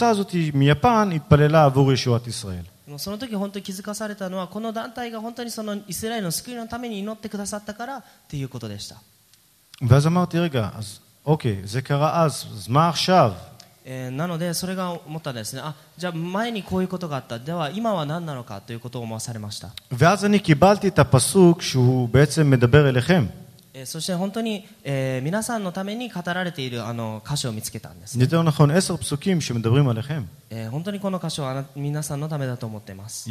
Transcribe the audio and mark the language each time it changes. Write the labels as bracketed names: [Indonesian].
[Japanese] その時本当に気づかされたのはこの団体が本当にそのイスラエルの救いのために祈ってくださったからっていうことでした。 [Hebrew] ואז אמרתי רגע, אז אוקיי, זה קרה אז, אז מה עכשיו? [Japanese] なのでそれが思ったんですね。あ、じゃあ前にこういうことがあった。では今は何なのかということを思わされました。 [Hebrew] ואז אני קיבלתי את הפסוק שהוא בעצם מדבר אליכם. [Japanese] そして本当に皆さんのために語られているあの箇所を見つけたんです。 [Hebrew] יותר נכון, 10 פסוקים שמדברים עליכם. [Japanese] 本当にこの箇所は皆さんのためだと思っています。